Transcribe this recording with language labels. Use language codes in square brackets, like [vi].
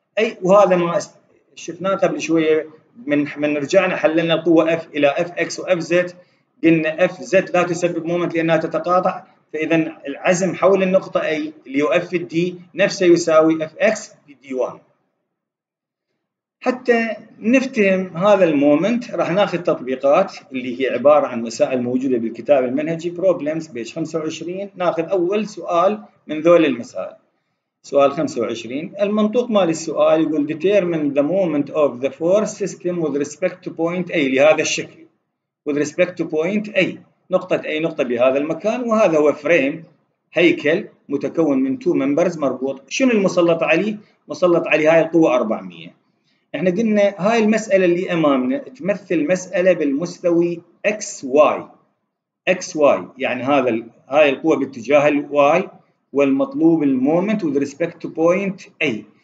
[ar] اي وهذا ما شفناه قبل شويه من رجعنا حللنا القوه اف الى اف اكس واف زد، قلنا اف زد لا تسبب مومنت لانها تتقاطع، فاذا العزم حول النقطه اي اللي هو اف دي نفسه يساوي اف اكس في دي 1. حتى نفهم هذا المومنت راح ناخذ تطبيقات اللي هي عباره عن مسائل موجوده بالكتاب المنهجي بروبلمز بيج 25. ناخذ اول سؤال من ذول المسائل، سؤال 25. المنطوق مال السؤال يقول [en] determine the moment of the force system with respect to point A [ar] لهذا الشكل، [en] with respect to point A [ar] نقطة A نقطة بهذا المكان، وهذا هو فريم هيكل متكون من [en] two members [ar] مربوط. شنو المسلط عليه؟ مسلط عليه هاي القوة 400. احنا قلنا هاي المسألة اللي امامنا تمثل مسألة بالمستوي XY، يعني هاي القوة باتجاه Y والمطلوب المومنت [en] with respect to point A.